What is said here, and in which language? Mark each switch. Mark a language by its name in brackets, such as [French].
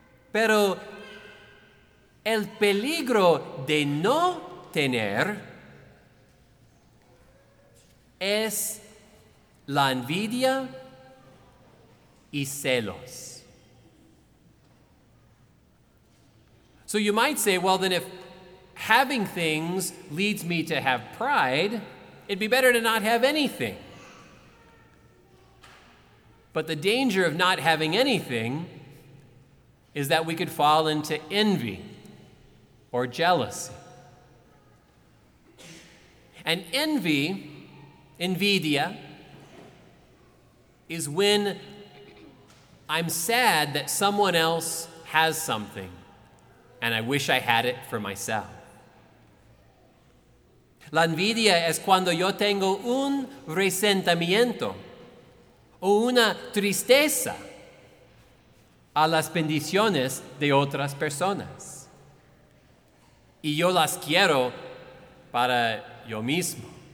[Spanish] Pero el peligro de no tener es la envidia y celos. [English] So you might say, well, then if having things leads me to have pride, it'd be better to not have anything. But the danger of not having anything is that we could fall into envy or jealousy. And envy, envidia, is when I'm sad that someone else has something and I wish I had it for myself. [Spanish] La envidia es cuando yo tengo un resentimiento o una tristeza a las bendiciones de otras personas. Y yo las quiero para yo mismo.